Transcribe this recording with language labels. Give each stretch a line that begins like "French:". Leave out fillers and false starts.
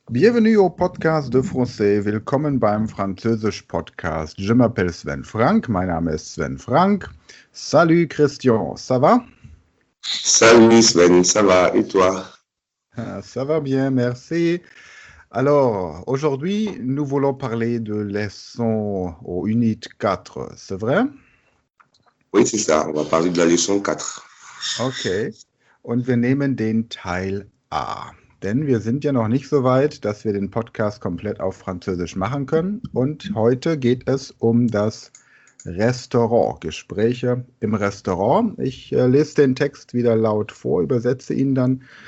French: Bienvenue au podcast de français.
German: Willkommen beim Französisch-Podcast.
French: Je m'appelle Sven Frank.
German: Mein Name ist Sven Frank.
French: Salut Christian, ça va? Salut Sven, ça va et toi? Ça va bien, merci. Alors, aujourd'hui, nous voulons parler de leçon au unit 4, c'est vrai? Oui, c'est ça, on va parler de la leçon 4. OK.
German: Und wir nehmen den Teil A. Denn wir sind ja noch nicht so weit, dass wir den Podcast komplett auf Französisch machen können. Und heute geht es um das Restaurant, Gespräche im Restaurant. Ich lese den Text wieder laut vor, übersetze ihn dann.